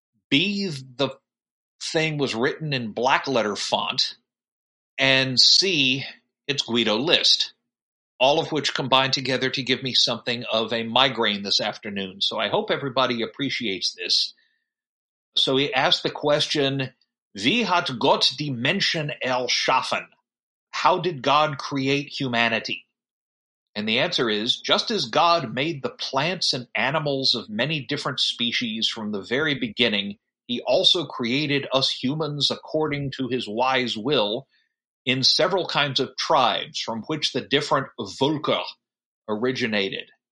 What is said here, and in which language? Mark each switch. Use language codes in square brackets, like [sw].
[en] B, the thing was written in black letter font, and C, it's Guido List. All of which combined together to give me something of a migraine this afternoon. So I hope everybody appreciates this. So he asked the question, [de] Wie hat Gott die Menschen erschaffen? [en] How did God create humanity? And the answer is, just as God made the plants and animals of many different species from the very beginning, he also created us humans according to his wise will, in several kinds of tribes from which the different Völker originated.